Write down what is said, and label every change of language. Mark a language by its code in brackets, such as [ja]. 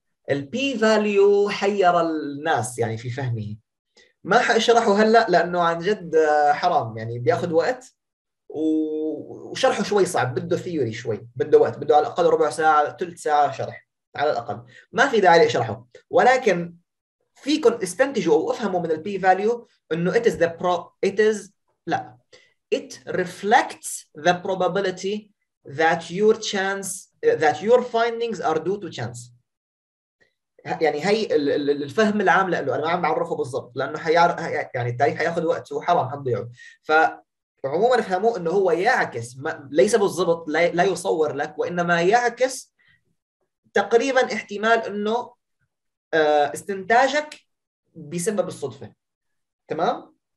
[ar] البي فاليو حير الناس يعني في فهمه، ما حاشرحه هلا لانه عن جد حرام يعني بياخذ وقت، وشرحه شوي صعب، بده ثيوري شوي، بده وقت، بده على الاقل ربع ساعه ثلث ساعه شرح على الاقل، ما في داعي لاشرحه. ولكن فيكم استنتجوا او افهموا من البي فاليو انه [en] it is the pro it is [ar] لا [en] it reflects the probability that your chance that your findings are due to chance. [ar] يعني هي الفهم العام له، انا ما عم بعرفه بالضبط لانه يعني التاريخ حياخذ وقت وحرام حضيعه. فعموما افهموا انه هو يعكس، ليس بالضبط لا يصور لك، وانما يعكس تقريبا احتمال انه استنتاجك بسبب الصدفه تمام.